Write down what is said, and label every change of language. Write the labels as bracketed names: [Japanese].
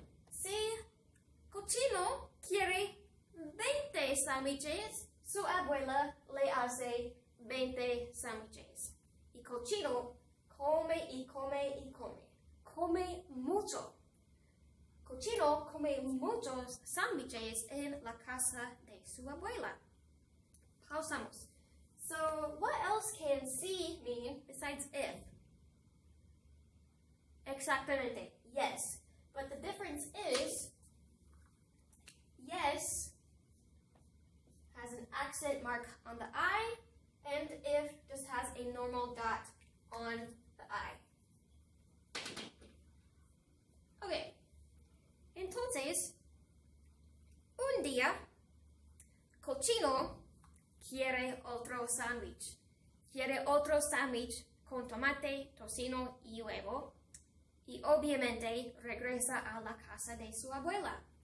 [Spanish] Si cochino quiere 20 sándwiches, su abuela le hace 20 sándwiches. Y cochino come y come y come. Come mucho. Cochino come muchos sándwiches en la casa de su abuela. Pausamos. [English] So, what else can see mean besides if? [Spanish] Exactamente. [English] Yes. But the difference is, yes has an accent mark on the I, and if just has a normal dot on the I. [Spanish] Okay, entonces, un día, cochino quiere otro sándwich. Quiere otro sándwich con tomate, tocino y huevo. Y obviamente regresa a la casa de su abuela.